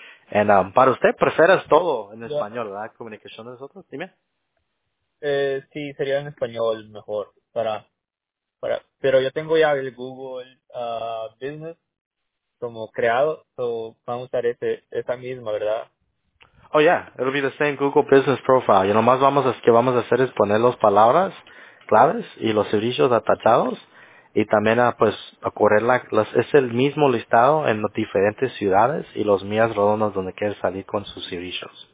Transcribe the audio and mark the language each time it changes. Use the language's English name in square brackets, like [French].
[Spanish] And, para usted, ¿prefieres todo en español, yeah, ¿verdad? ¿Comunicación de nosotros? Dime. Sí, sería en español mejor. Para Pero yo tengo ya el Google Business como creado, so vamos a usar esa misma, ¿verdad? [English] Oh, yeah, it'll be the same Google Business Profile. [Spanish] Y nomás vamos a hacer es poner las palabras claves y los servicios atachados y también a correr es el mismo listado en las diferentes ciudades y los millas redondas donde quieres salir con sus servicios.